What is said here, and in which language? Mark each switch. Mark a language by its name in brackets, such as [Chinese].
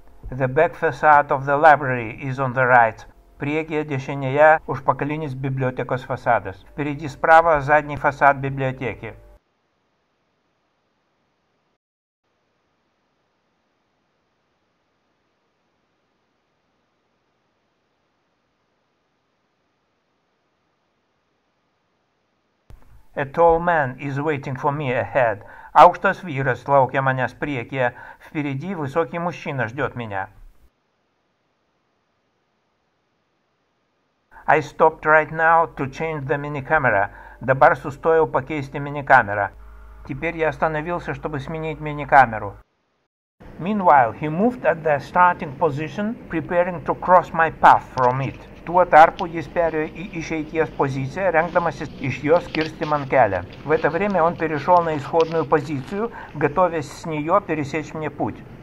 [English] The back facade of the library is on the right. [Lithuanian] Priekyje dešinėje užpakalinis bibliotekos fasadas. [Russian] Впереди справа задний фасад библиотеки. [English] A tall man is waiting for me ahead. [Lithuanian] Aukštas vyras laukia manęs priekyje. [Russian] Впереди высокий мужчина ждет меня. [English] I stopped right now to change the mini camera. [Lithuanian] Dabar sustojau pakeisti mini камеру. [Russian] Теперь я остановился, чтобы сменить мини камеру. [English] Meanwhile, he moved at the starting position, preparing to cross my path from it. [Lithuanian] Tuo tarpu jis perėjo į išeities poziciją, rengdamasis iš jo skirsti man kelią. [Russian] В это время он перешел на исходную позицию, готовясь с нее пересечь мне путь.